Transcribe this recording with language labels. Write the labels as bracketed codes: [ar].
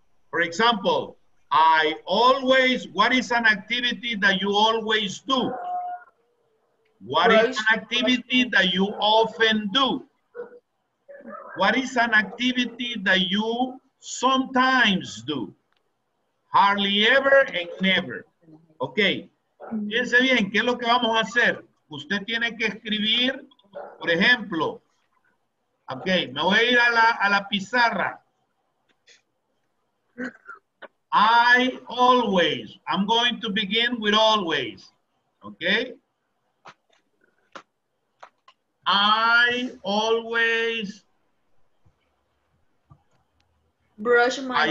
[en] For example, I always, what is an activity that you always do? What is an activity that you often do? What is an activity that you sometimes do? Hardly ever and never. Okay. [es] Fíjense bien, ¿qué es lo que vamos a hacer? Usted tiene que escribir, por ejemplo, okay, me voy a ir a la pizarra. [en] I always, I'm going to begin with always, okay? I always brush my